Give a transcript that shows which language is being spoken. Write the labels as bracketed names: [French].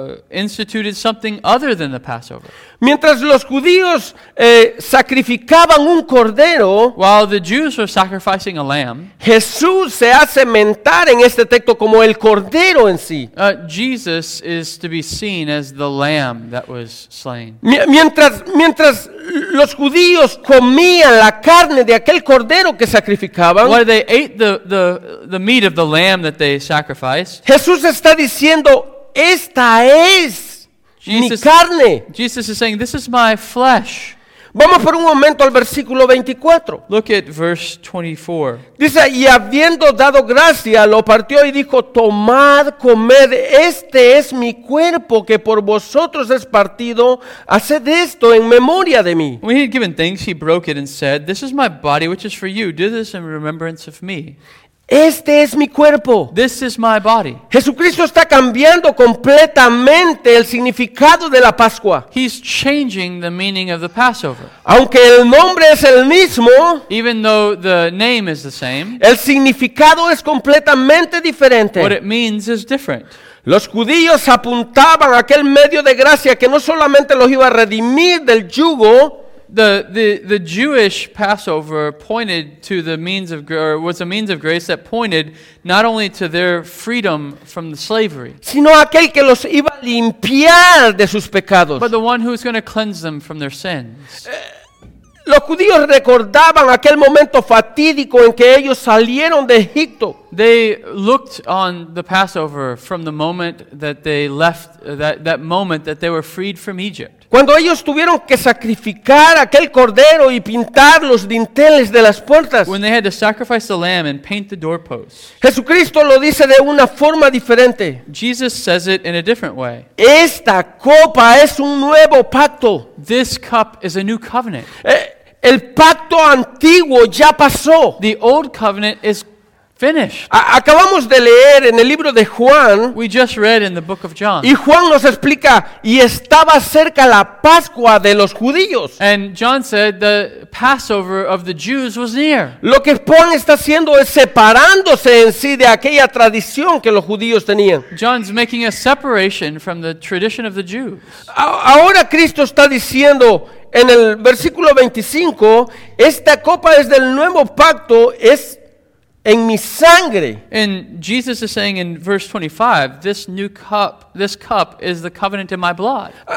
[English] instituted something other than the Passover. [Spanish] Mientras los judíos sacrificaban un cordero, [English] while the Jews were sacrificing a lamb, [Spanish] Jesús se hace mentar en este texto como el cordero en sí. [English] Jesus is to be seen as the lamb that was slain. [Spanish] Mientras los judíos comían la carne de aquel cordero que sacrificaban, [English] while they ate the meat of the lamb that they sacrificed, [Spanish] Jesús está diciendo, esta es mi carne. [English] Jesus is saying, this is my flesh. [Spanish] Vamos por un momento al versículo 24. [English] Look at verse 24. [Spanish] Dice, y habiendo dado gracia, lo partió y dijo, tomad, comed, este es mi cuerpo que por vosotros es partido, haced esto en memoria de mí. [English] When he had given thanks, he broke it and said, this is my body which is for you, do this in remembrance of me. [Spanish] Este es mi cuerpo. [English] This is my body. [Spanish] Jesucristo está cambiando completamente el significado de la Pascua. [English] He's changing the meaning of the Passover. [Spanish] Aunque el nombre es el mismo, [English] even though the name is the same, [Spanish] el significado es completamente diferente. [English] What it means is different. [Spanish] Los judíos apuntaban a aquel medio de gracia que no solamente los iba a redimir del yugo. [English] The Jewish Passover pointed to the means of was a means of grace that pointed not only to their freedom from the slavery, [Spanish] sino aquel que los iba a limpiar de sus pecados, [English] but the one who was going to cleanse them from their sins. [Spanish] Los judíos recordaban aquel momento fatídico en que ellos salieron de Egipto. [English] They looked on the Passover from the moment that they left, that moment that they were freed from Egypt. [Spanish] Cuando ellos tuvieron que sacrificar aquel cordero y pintar los dinteles de las puertas. [English] When they had to sacrifice the lamb and paint the doorposts. [Spanish] Jesucristo lo dice de una forma diferente. [English] Jesus says it in a different way. [Spanish] Esta copa es un nuevo pacto. [English] This cup is a new covenant. [Spanish] El pacto antiguo ya pasó. [English] The old covenant is finished. [Spanish] Acabamos de leer en el libro de Juan. [English] We just read in the book of John. [Spanish] Y Juan nos explica, y estaba cerca la Pascua de los judíos. [English] And John said the Passover of the Jews was near. [Spanish] Lo que Juan está haciendo es separándose en sí de aquella tradición que los judíos tenían. [English] John's making a separation from the tradition of the Jews. [Spanish] Ahora Cristo está diciendo, en el versículo 25, esta copa es del nuevo pacto, es en mi sangre. [English] And Jesus is saying in verse 25, this new cup, this cup is the covenant in my blood.